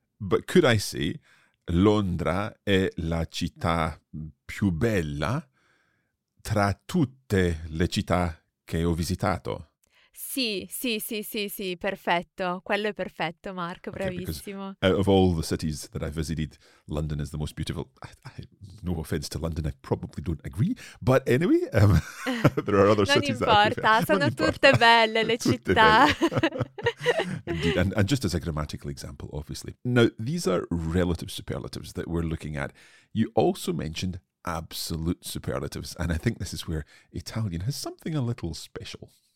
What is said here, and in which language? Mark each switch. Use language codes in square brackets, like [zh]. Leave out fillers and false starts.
[en] But could I say [it] Londra è la città più bella tra tutte le città che ho visitato? Sì, perfetto. Quello è perfetto, Mark, bravissimo. [en] Okay, out of all the cities that I visited, London is the most beautiful. No offense to London, I probably don't agree, but anyway, there are other cities [it] importa, [en] that I prefer. [it] Non importa, sono tutte belle le città. [en] Indeed, and just as a grammatical example, obviously. Now, these are relative superlatives that we're looking at. You also mentioned absolute superlatives, and I think this is where Italian has something a little special.